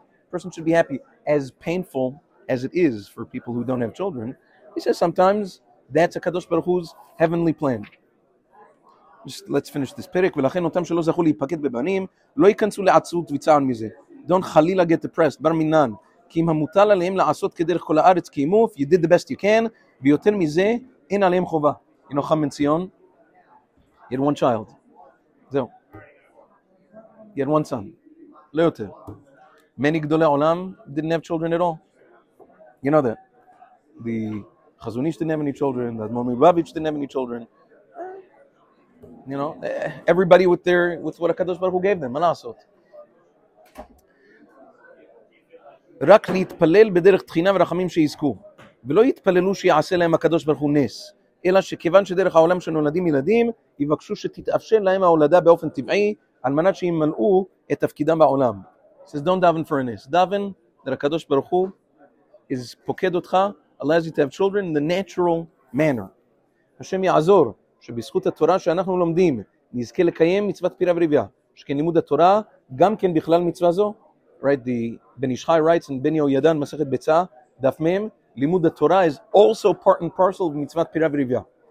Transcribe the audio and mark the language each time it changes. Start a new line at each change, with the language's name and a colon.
English: Person should be happy. As painful as it is for people who don't have children, he says sometimes that's a Kadosh Baruch Hu's heavenly plan. just let's finish this
Hebrew: פרק, ולכן אותם שלא זכו להיפקד בבנים, לא ייכנסו לעצות וצען מזה.
English: Don't חלילה get depressed,
Hebrew: בר מינן, כי אם המוטל עליהם לעשות כדרך כל הארץ קיימו,
English: you did the best you can,
Hebrew: ויותר מזה, אין עליהם חובה.
English: You know, חם מנציון? You had one child. זהו. You had one son.
Hebrew: לא יותר.
English: Many גדולי עולם didn't have children at all. You know that. The חזוניש didn't have any children, the Admor Mibavich didn't have any children. You know, everybody with their, with what HaKadosh Baruch Hu gave them,
Hebrew: מה לעשות? רק להתפלל בדרך תחינה ורחמים שיזכו, ולא יתפללו שיעשה להם הקדוש ברוך הוא נס, אלא שכיוון שדרך העולם שנולדים ילדים, יבקשו שתתאפשר להם ההולדה באופן טבעי, על מנת שימלאו את תפקידם בעולם.
English: Says, don't daven for a nes. Daven, that הקדוש ברוך הוא is פוקד אותך, allows you to have children in the natural manner.
Hebrew: השם יעזור שבזכות התורה שאנחנו לומדים, נזכה לקיים מצוות פירה ורביה, שכן לימוד התורה גם כן בכלל מצווה זו,
English: right, the Ben Ish Chai writes in Ben Yehoyadan, Masechet Betza, Daf Mem, Limud HaTorah is also part and parcel of Mitzvat Pira V'Rivya.